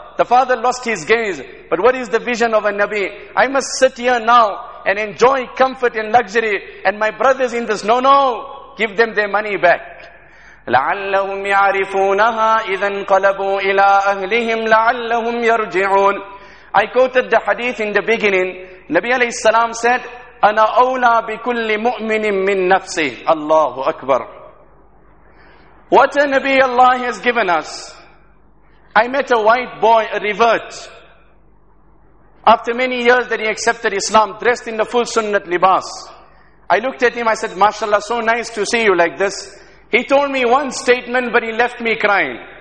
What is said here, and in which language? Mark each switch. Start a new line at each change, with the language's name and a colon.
English: The father lost his gaze. But what is the vision of a Nabi? I must sit here now and enjoy comfort and luxury. And my brothers in this, no. Give them their money back.
Arabic: لَعَلَّهُمْ يَعْرِفُونَهَا إِذَا انْقَلَبُوا إِلَىٰ أَهْلِهِمْ لَعَلَّهُمْ يَرْجِعُونَ.
English: I quoted the hadith in the beginning. Nabi alayhi salam said,
Arabic: أَنَا أَوْلَى بِكُلِّ مُؤْمِنٍ مِّن نَفْسِهِ. Allahu Akbar.
English: What a Nabi Allah has given us. I met a white boy, a revert. After many years that he accepted Islam, dressed in the full sunnat libas. I looked at him, I said, MashaAllah, so nice to see you like this. He told me one statement, but he left me crying.